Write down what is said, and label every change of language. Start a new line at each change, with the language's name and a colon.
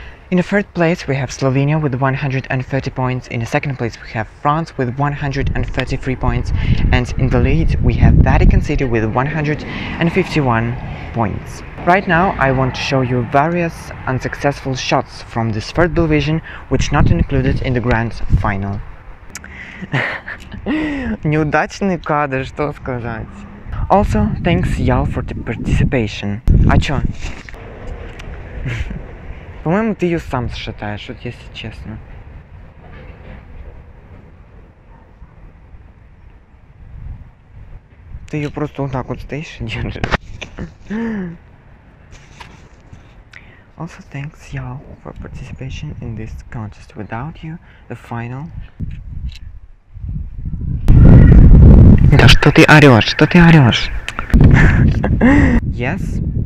English: In the third place we have Slovenia with 130 points, in the second place we have France with 133 points, and in the lead we have Vatican City with 151 points. Right now I want to show you various unsuccessful shots from this third Belvision, which not included in the grand final.
Russian: Неудачный кадр, что сказать?
English: Also, thanks y'all for the participation.
Russian: А чё? По-моему, ты ее сам сшатаешь, вот если честно. Ты ее просто вот так вот стоишь и держишь.
English: Also, thanks y'all for participation in this contest. Without you, the final.
Russian: Да что ты орешь? Что ты орешь?
English: Yes.